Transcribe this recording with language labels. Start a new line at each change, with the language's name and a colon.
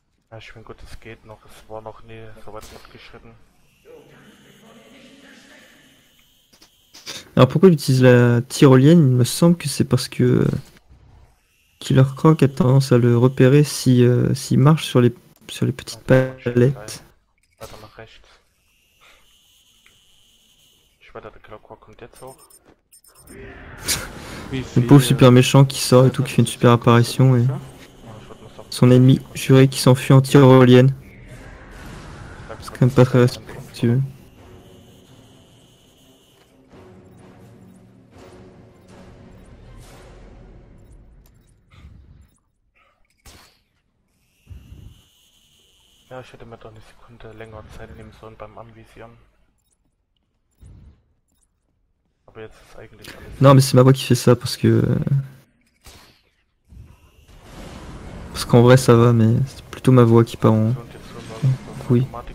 German: Ja, ich bin gut, es geht noch. Es war noch nie so weit fortgeschritten.
French: Alors pourquoi il utilise la tyrolienne? Il me semble que c'est parce que Killer Croc a tendance à le repérer si s'il marche sur les. Sur les petites palettes.
German: Weiter nach rechts.
French: Je vois que le croc
German: kommt jetzt hoch.
French: Le pauvre super méchant qui sort et tout, qui fait une super apparition et. Son ennemi juré qui s'enfuit en tyrolienne. C'est quand même pas très respectueux.
German: Ich hätte mir doch eine Sekunde länger Zeit nehmen sollen beim Anvisieren. Aber jetzt ist eigentlich alles.
French: Non, mais c'est ma voix qui fait ça parce que. Parce qu'en vrai ça va, mais c'est plutôt ma voix qui part en. Oui.